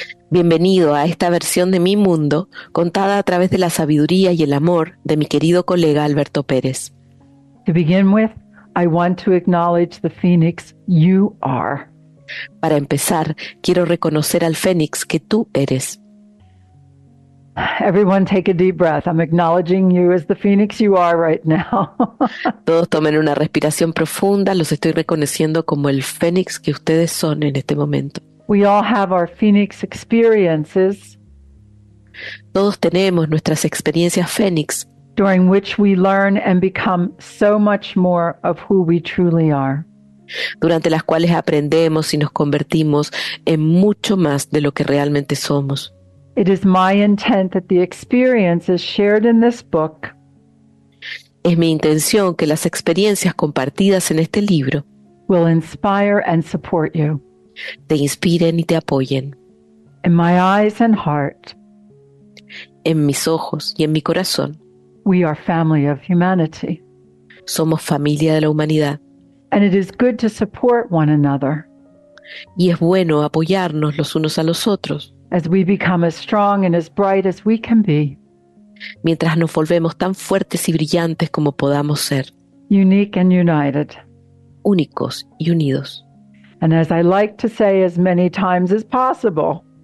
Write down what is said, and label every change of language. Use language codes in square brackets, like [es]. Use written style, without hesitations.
[es] Bienvenido a esta versión de mi mundo, contada a través de la sabiduría y el amor de mi querido colega Alberto Pérez. [en] To begin with, I want to acknowledge the phoenix you are. [es] Para empezar, quiero reconocer al Fénix que tú eres. [en] Everyone, take a deep breath. I'm acknowledging you as the phoenix you are right now. [es] Todos tomen una respiración profunda, los estoy reconociendo como el Fénix que ustedes son en este momento. [en] We all have our phoenix experiences [es] Todos tenemos nuestras experiencias Fénix. [en] during which we learn and become so much more of who we truly are. [es] Durante las cuales aprendemos y nos convertimos en mucho más de lo que realmente somos. [en] It is my intent that the experiences shared in this book [es] Es mi intención que las experiencias compartidas en este libro [en] will inspire and support you. [es] Te inspiren y te apoyen. [en] In my eyes and heart, [es] en mis ojos y en mi corazón, [en] we are family of humanity. [es] Somos familia de la humanidad. [en] And it is good to support one another. [es] Y es bueno apoyarnos los unos a los otros. [en] As we become as strong and as bright as we can be. [es] Mientras nos volvemos tan fuertes y brillantes como podamos ser. [en] Unique and united. [es] Únicos y unidos. [en] And as I like to say as many times as possible.